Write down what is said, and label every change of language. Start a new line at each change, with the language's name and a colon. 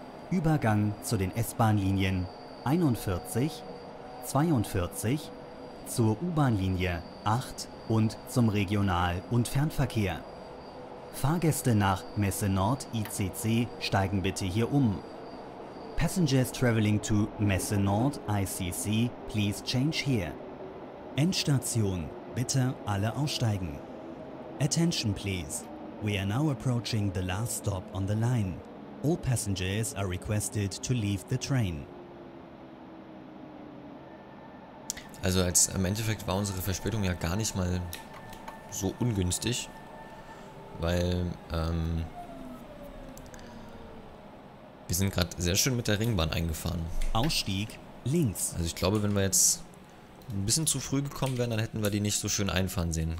German: Übergang zu den S-Bahn-Linien 41, 42 zur U-Bahn-Linie 8 und zum Regional- und Fernverkehr. Fahrgäste nach Messe Nord ICC steigen bitte hier um.
English: Passengers traveling to Messe Nord ICC, please change here.
German: Endstation, bitte alle aussteigen.
English: Attention please, we are now approaching the last stop on the line. All passengers are requested to leave the train.
German: Also als, im Endeffekt war unsere Verspätung ja gar nicht mal so ungünstig, weil wir sind gerade sehr schön mit der Ringbahn eingefahren. Ausstieg links. Also ich glaube, wenn wir jetzt ein bisschen zu früh gekommen wären, dann hätten wir die nicht so schön einfahren sehen.